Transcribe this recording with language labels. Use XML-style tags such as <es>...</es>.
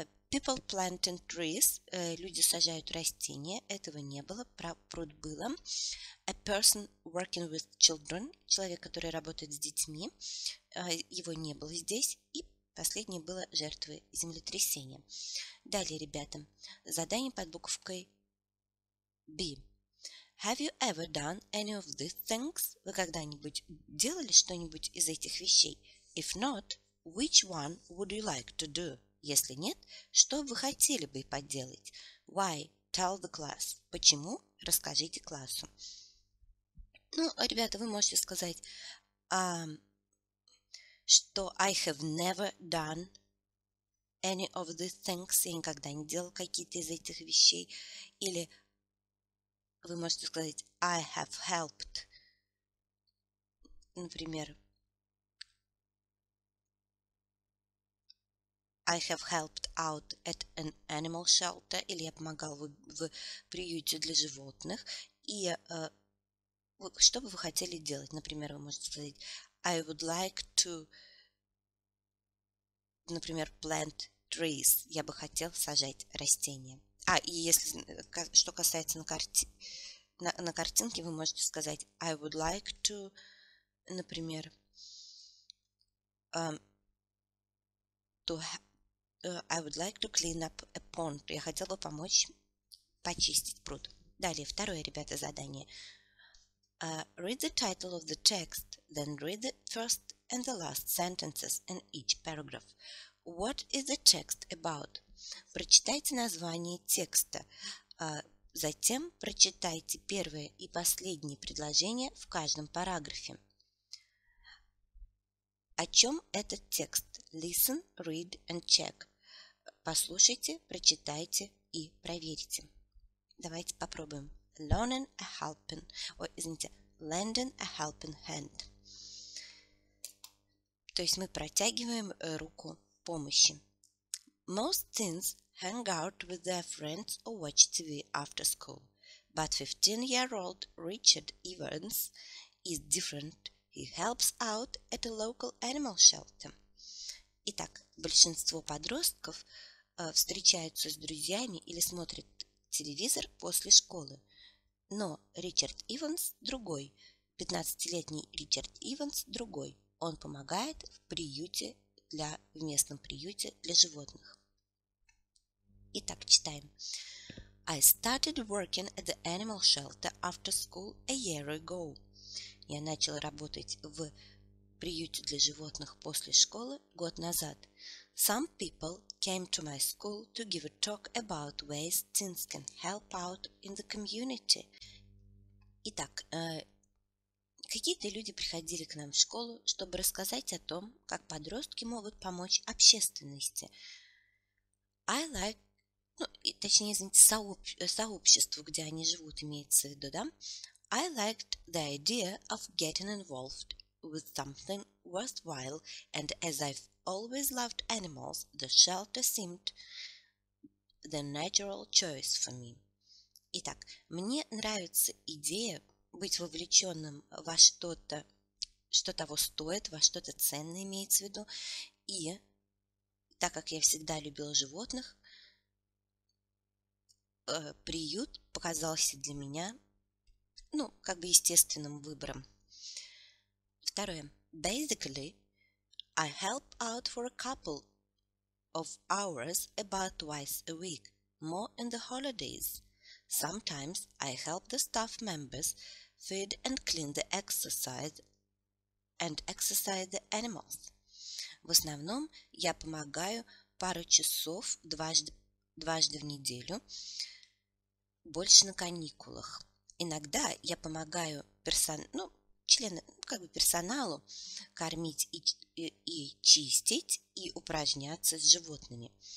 <en>People planting trees.</en> <ru>Люди сажают растения. Этого не было. Пруд было.</ru> <en>A person working with children.</en> <ru>Человек, который работает с детьми. Его не было здесь. И последнее было жертвы землетрясения. Далее, ребята. Задание под буковкой B.</ru> <en>Have you ever done any of these things?</en> <ru>Вы когда-нибудь делали что-нибудь из этих вещей?</ru> <en>If not, which one would you like to do?</en> <ru>Если нет, что вы хотели бы поделать?</ru> <en>Why? Tell the class.</en> <ru>Почему? Расскажите классу. Ну, ребята, вы можете сказать, что</ru> <en>I have never done any of these things.</en> <ru>Я никогда не делал какие-то из этих вещей. Или вы можете сказать</ru> <en>I have helped.</en> <ru>Например,</ru> <en>I have helped out at an animal shelter,</en> <ru>или я помогал в приюте для животных. И что бы вы хотели делать? Например, вы можете сказать</ru> <en>I would like to,</en> <ru>например,</ru> <en>plant trees.</en> <ru>Я бы хотел сажать растения. А, и если что касается на картинке, вы можете сказать</ru> <en>I would like to,</en> <ru>например,</ru> <en>I would like to clean up a pond.</en> <ru>Я хотела бы помочь почистить пруд. Далее, второе, ребята, задание.</ru> <en>Read the title of the text, then read the first and the last sentences in each paragraph. What is the text about?</en> <ru>Прочитайте название текста. Затем прочитайте первое и последнее предложение в каждом параграфе. О чем этот текст?</ru> <en>Listen, read and check.</en> <ru>Послушайте, прочитайте и проверите. Давайте попробуем.</ru> <en>Learning a helping, lending a helping hand.</en> <ru>То есть мы протягиваем руку помощи.</ru> <en>Most teens hang out with their friends or watch TV after school. But 15-year-old Richard Evans is different. He helps out at a local animal shelter.</en> <ru>Итак, большинство подростков встречаются с друзьями или смотрят телевизор после школы. Но Ричард Иванс другой. 15-летний Ричард Иванс другой. Он помогает в приюте для, в местном приюте для животных. Итак, читаем.</ru> <en>I started working at the animal shelter after school a year ago.</en> <ru>Я начал работать в приюте для животных после школы год назад.</ru> <en>Some people came to my school to give a talk about ways teens can help out in the community.</en> <ru>Итак, какие-то люди приходили к нам в школу, чтобы рассказать о том, как подростки могут помочь общественности.</ru> <en>I like,</en> <ru>ну, и, точнее, извините, сообществу, где они живут, имеется в виду, да?</ru> <en>I liked the idea of getting involved with something worthwhile, and as I've always loved animals, the shelter seemed the natural choice for me.</en> <ru>Итак, мне нравится идея быть вовлеченным во что-то, что того стоит, во что-то ценное, имеется в виду, и так как я всегда любила животных, приют показался для меня, ну, как бы естественным выбором. Второе.</ru> <en>Basically, I help out for a couple of hours about twice a week, more in the holidays. Sometimes I help the staff members feed and clean the exercise and exercise the animals.</en> <ru>В основном я помогаю пару часов дважды в неделю, больше на каникулах. Иногда я помогаю персоналу кормить и чистить и упражняться с животными.</ru>